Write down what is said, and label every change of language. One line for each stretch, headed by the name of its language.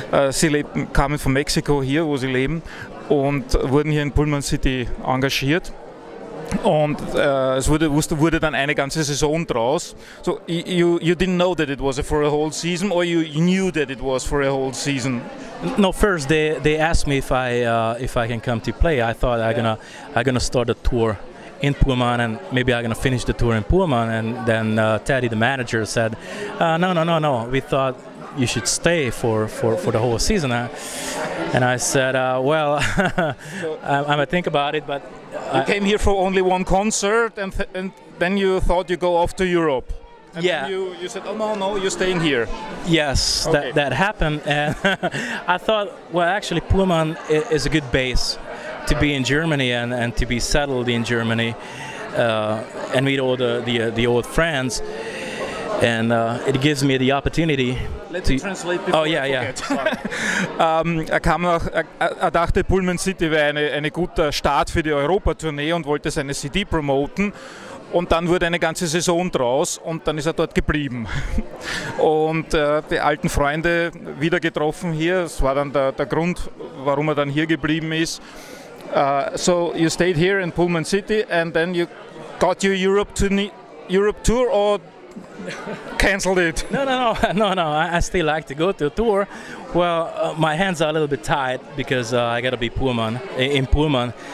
German: Sie kamen von Mexiko hier, wo sie leben, und wurden hier in Pullman City engagiert. Und es wurde dann eine ganze Saison draus.
English: So you didn't know that it was for a whole season, or you knew that it was for a whole season? No, first they asked me if I can come to play. I thought I'm gonna start a tour in Pullman, and maybe I'm gonna finish the tour in Pullman, and then Teddy, the manager, said, no, we thought you should stay for the whole season, and I said, well, I'm gonna think about it, but... You came here for only one concert, and then you thought you go off to Europe. And yeah. And you said, no, you're staying here. Yes, okay. that happened, and I thought, well, actually, Pullman is a good base to be in Germany and to be settled in Germany and meet all the old friends, and it gives me the opportunity. Let's translate before. Oh yeah.
German: er dachte, Pullman City wäre eine guter Start für die Europa-Tournee und wollte seine CD promoten. Und dann wurde eine ganze Saison draus und dann ist er dort geblieben. Und die alten Freunde wieder getroffen hier. Das war dann der Grund, warum er dann hier geblieben ist.
English: So you stayed here in Pullman City and then you got your Europe tour or canceled it? No. I still like to go to a tour. Well, my hands are a little bit tied because I gotta be in Pullman.